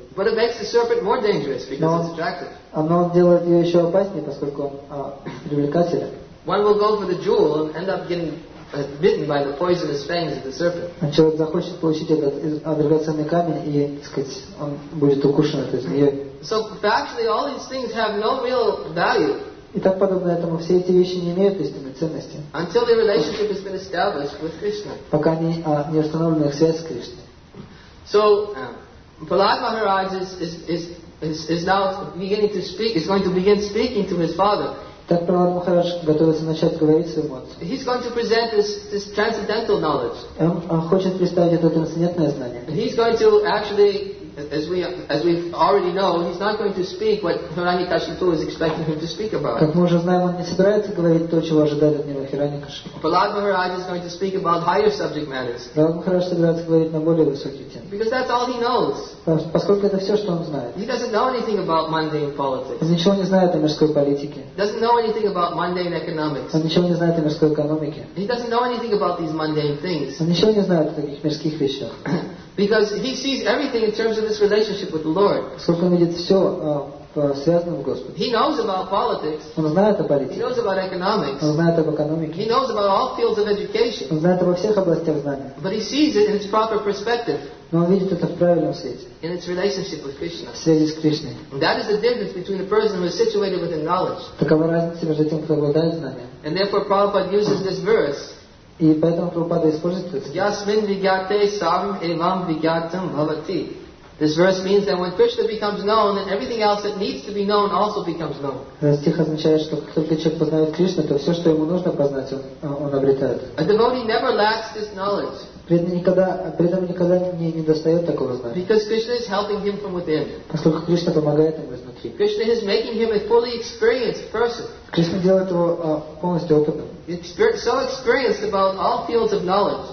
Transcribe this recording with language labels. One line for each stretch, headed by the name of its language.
English: But it makes the serpent more dangerous because it's attractive.
Russian: Оно делает ее еще опаснее, поскольку привлекателен.
English: One will go for the jewel and end up getting bitten by the poisonous fangs of the serpent.
Russian: Человек захочет получить этот драгоценный камень и, так сказать, он будет укушен этой змеей.
English: So factually, all these things have no real value.
Russian: И так подобно этому все эти вещи не имеют истинной ценности.
English: Until the relationship has been established with Krishna.
Russian: Пока не установлена их связь с Кришной.
English: So Prahlad Maharaj is now beginning to speak. Is going to begin speaking to his father.
Russian: Так Прахлад Махарадж готовится начать говорить своему отцу.
English: He's going to present this transcendental knowledge.
Russian: Он хочет представить это трансцендентное знание.
English: He's going to actually as we already know, he's not going to speak what Hirani Kashipu is expecting him to speak about.
Russian: Как мы уже знаем, он не собирается говорить то, чего ожидает от него Хирани Кашипу.
English: Prahlad Maharaj is going to speak about higher subject matters.
Russian: Prahlad Maharaj собирается говорить на более высокие темы.
English: Because that's all he knows.
Russian: Поскольку это все, что он знает.
English: He doesn't know anything about mundane politics.
Russian: Он ничего не знает о мирской политике.
English: Doesn't know anything about mundane economics.
Russian: Он ничего не знает о мирской экономике.
English: He doesn't know anything about these mundane things.
Russian: Он ничего не знает о таких мирских вещах.
English: Because he sees everything in terms of his relationship with the Lord.
Russian: Сколько он видит все связанное с Господом.
English: He knows about politics.
Russian: Он знает о политике.
English: He knows about economics.
Russian: Он знает об экономике.
English: He knows about all fields of education.
Russian: Он знает обо всех областях знания.
English: But he sees it in its proper perspective.
Russian: Но он видит это в правильном свете.
English: In its relationship with Krishna.
Russian: В связи с Кришной.
English: That is the difference between a person who is situated within knowledge.
Russian: Такова разница между тем, кто обладает знанием.
English: And therefore, Prabhupada uses this verse.
Russian: И поэтому Прабхупада использует это.
Sanskrit: Ясмин вигате сам эвам вигатам бхавати.
English: This verse means that when Krishna becomes known, then everything else that needs to be known also becomes known.
Russian: Этот стих означает, что как только человек познает Кришну, то все, что ему нужно познать, он обретает.
English: A devotee never lacks this knowledge.
Russian: При этом никогда не достает такого знания.
English: Because Krishna is helping him from within.
Russian: Поскольку Кришна помогает ему изнутри.
English: Krishna is making him a fully experienced person.
Russian: Кришна делает его полностью опытным.
English: So experienced about all fields of knowledge.